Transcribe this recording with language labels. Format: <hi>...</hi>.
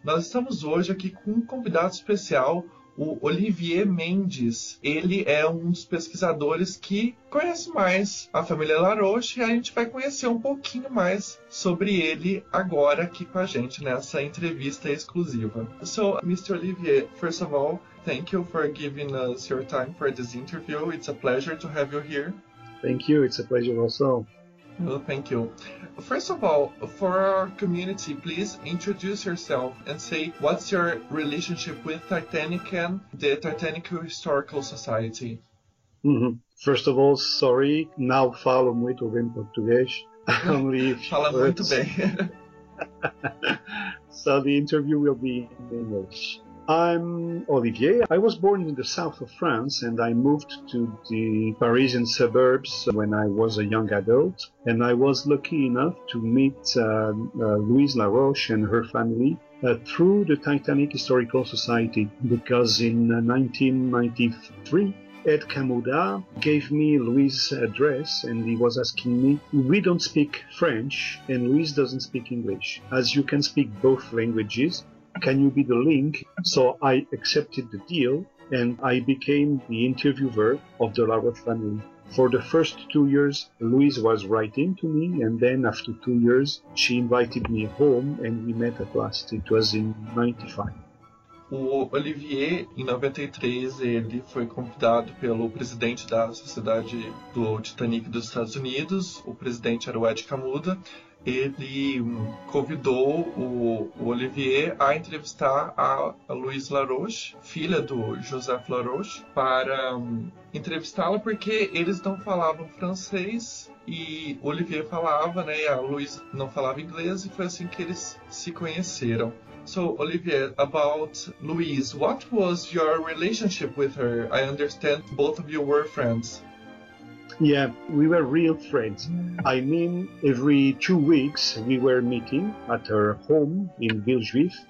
<pt>Nós estamos hoje aqui com um convidado especial, o Olivier Mendes. Ele é um dos pesquisadores que conhece mais a família Laroche e a gente vai conhecer um pouquinho mais sobre ele agora aqui com a gente nessa entrevista exclusiva.</pt> <en>So, Mr. Olivier, first of all, thank you for giving us your time for this interview. It's a pleasure to have you here. Thank you, it's a pleasure also. Well, thank you. First of all, for our community, please introduce yourself and say what's your relationship with Titanic and the Titanic Historical Society. Mm-hmm. First of all, sorry,</en> <pt>não falo muito bem português. Fala muito bem.</pt> <en>So the interview will be in English. I'm Olivier. I was born in the south of France and I moved to the Parisian suburbs when I was a young adult. And I was lucky enough to meet Louise Laroche and her family through the Titanic Historical Society, because in 1993, Ed Camuda gave me Louise's address and he was asking me, we don't speak French and Louise doesn't speak English, as you can speak both languages. Can you be the link? So I accepted the deal and I became the interviewer of the Laroche family. For the first 2 years, Louise was writing to me, and then after 2 years, she invited me home and we met at last. It was in 95.</en> <pt>O Olivier, em 93, ele foi convidado pelo presidente da Sociedade do Titanic dos Estados Unidos. O presidente era o Ed Camuda. Ele convidou o Olivier a entrevistar a Louise Laroche, filha do Joseph Laroche, para entrevistá-la, porque eles não falavam francês e o Olivier falava, né, e a Louise não falava inglês, e foi assim que eles se conheceram.</pt> <en>So, Olivier, about Louise, what was your relationship with her? I understand both of you were friends. Yeah, we were real friends. I mean, every 2 weeks we were meeting at her home in Villejuif.</en>